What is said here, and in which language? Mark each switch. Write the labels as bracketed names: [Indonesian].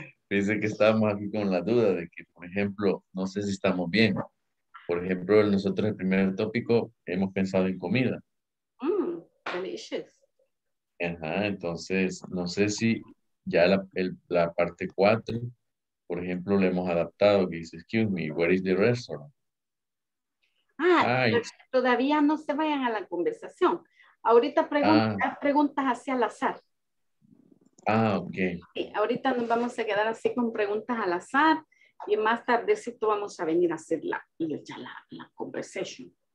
[Spanish] Dice que estamos aquí con la duda de que, por ejemplo, no sé si estamos bien. Por ejemplo, nosotros el primer tópico hemos pensado en comida. [English] Delicious. [Spanish] Ajá, entonces, no sé si ya la parte 4, por ejemplo, le hemos adaptado. Que dice, [English] excuse me, where is the restaurant? [Spanish] Ah, todavía no se vayan a la conversación. Ahorita preguntas así al azar. Ah, ok. Sí, ahorita nos vamos a quedar así con preguntas al azar y más tardecito vamos a venir a hacer la conversation.